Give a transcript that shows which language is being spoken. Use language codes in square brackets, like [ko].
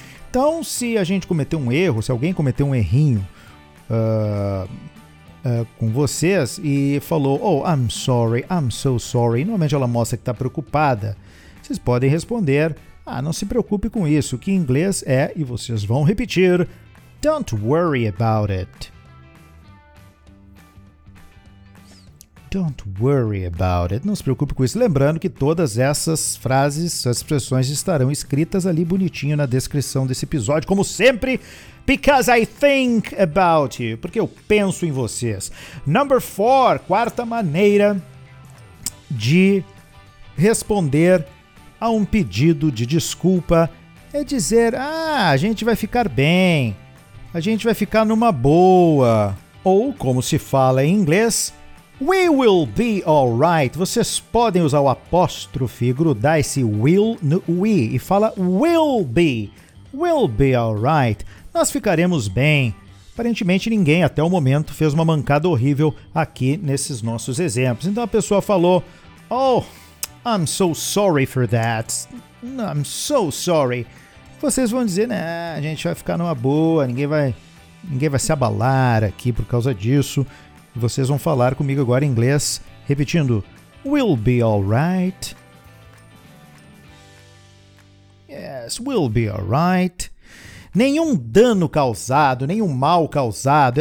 [pt] Então, se a gente cometer um erro, se alguém cometer um errinho com vocês e falou, [en] oh, I'm sorry, I'm so sorry, [pt] normalmente ela mostra que está preocupada, vocês podem responder, não se preocupe com isso, que em inglês é, e vocês vão repetir, [en] don't worry about it. Don't worry about it. [pt] Não se preocupe com isso. Lembrando que todas essas frases, essas expressões estarão escritas ali bonitinho na descrição desse episódio. Como sempre, [en] because I think about you. [pt] Porque eu penso em vocês. [en] Number four, [pt] quarta maneira de responder a um pedido de desculpa é dizer, a gente vai ficar bem. A gente vai ficar numa boa. Ou, como se fala em inglês, [en] we will be alright. [pt] Vocês podem usar o apóstrofe, grudar esse will no we e fala [en] will be alright. [pt] Nós ficaremos bem. Aparentemente ninguém até o momento fez uma mancada horrível aqui nesses nossos exemplos. Então a pessoa falou, [en] oh, I'm so sorry for that. I'm so sorry. [pt] Vocês vão dizer, né, a gente vai ficar numa boa, ninguém vai se abalar aqui por causa disso. Vocês vão falar comigo agora em inglês, repetindo, [en] we'll be alright. Yes, we'll be alright. [pt] Nenhum dano causado, nenhum mal causado.